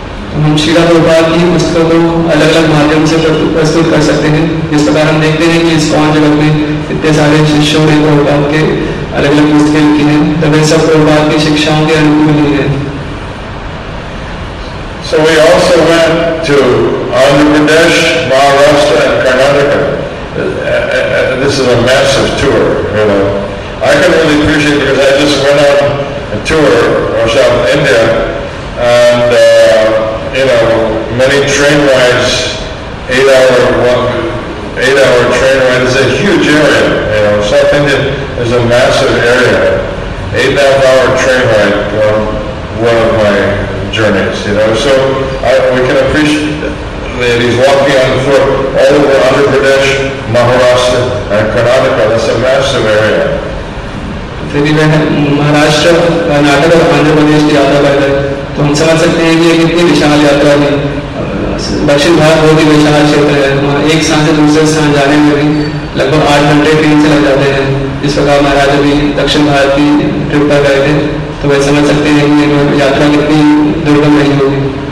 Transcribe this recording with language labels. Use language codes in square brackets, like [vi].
[hi] हम श्रीला प्रभुपाद की पुस्तकों को अलग अलग माध्यम से प्रस्तुत कर सकते हैं. जिस प्रकार हम देखते हैं कि इस कौन जगत में इतने सारे शिष्यों ने प्रभुपाद के अलग अलग पुस्तकें लिखी हैं, तब ये सब प्रभुपाद की शिक्षाओं के अनुकूल ही हैं. [en] So we also went to Andhra Pradesh, Maharashtra and Karnataka. This is a massive tour, you know. I can really appreciate it because I just went on a tour of South India. And you know, many train rides, eight-hour train ride is a huge area. You know, South India is a massive area. 8.5-hour train ride, one of my journeys. You know, so we can appreciate that he's walking on foot all over Andhra Pradesh, Maharashtra, and Karnataka. That's a massive area. [hi] फिर भी मैं महाराष्ट्र, कर्नाटक और आंध्र प्रदेश की यात्रा कर रहे हैं तो हम समझ सकते हैं कि ये कितनी विशाल यात्रा थी. दक्षिण भारत बहुत ही विशाल क्षेत्र है. एक स्थान से दूसरे स्थान जाने में भी लगभग 8 घंटे ट्रेन से लग जाते हैं. इस प्रकार महाराज अभी दक्षिण भारत की ट्रिप पर गए थे तो वह समझ सकते हैं कि यात्रा कितनी दुर्गम रही होगी.